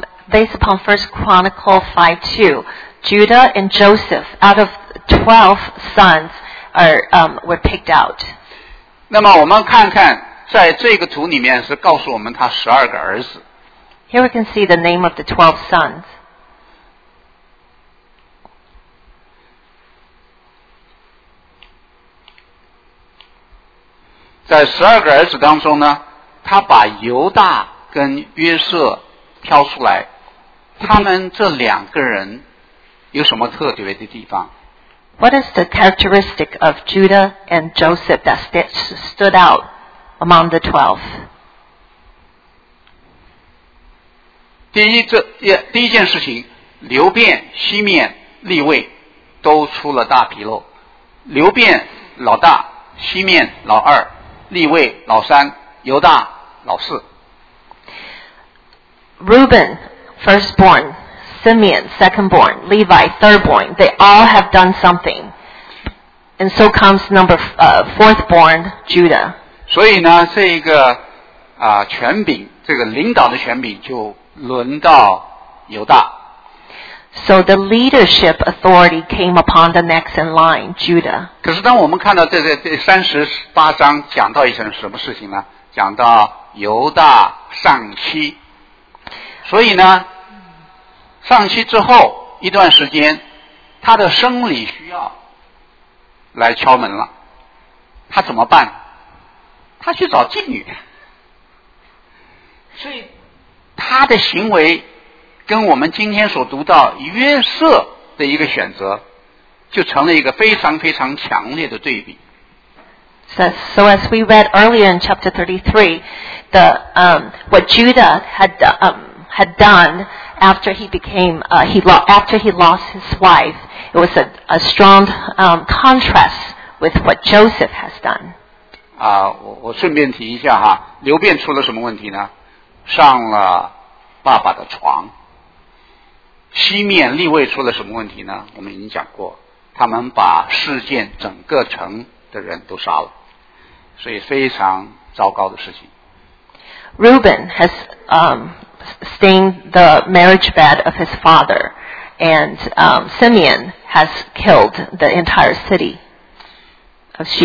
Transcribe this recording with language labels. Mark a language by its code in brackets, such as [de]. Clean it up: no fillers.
[en] Based upon 1 Chronicles 5:2, Judah and Joseph, out of 12 sons, were picked out. [zh] 那么我们看看，在这个图里面是告诉我们他十二个儿子。 [en] Here we can see the name of the 12 sons. [zh] 在十二个儿子当中呢，他把犹大跟约瑟挑出来。他们这两个人有什么特别的地方？ [en] What is the characteristic of Judah and Joseph that stood out among the 12? [zh] 第一件事情，流便、西面、利位都出了大纰漏。流便老大，西面老二，利位老三，犹大老四。 [en] Reuben, firstborn, Simeon, secondborn, Levi, thirdborn, they all have done something. And so comes number fourthborn, Judah. [zh] 所以呢，这一个权柄，这个领导的权柄就轮到犹大。 [en] So the leadership authority came upon the next in line, Judah. [zh] 可是当我们看到这38章讲到一层什么事情呢？讲到犹大丧妻。所以呢，丧妻之后一段时间，他的生理需要来敲门了。他怎么办？他去找妓女。所以他的行为跟我们今天所读到约瑟的一个选择就成了一个非常非常强烈的对比。 [en] So as we read earlier in chapter 33, what Judah had done after he lost his wife, it was a strong contrast with what Joseph has done. [zh] 我顺便提一下哈，流便出了什么问题呢？上了爸爸的床。西面立位出了什么问题呢？我们已经讲过，他们把事件整个城的人都杀了，所以非常糟糕的事情。 [en] Reuben has stained the marriage bed of his father, and Simeon has killed the entire city of Shechem.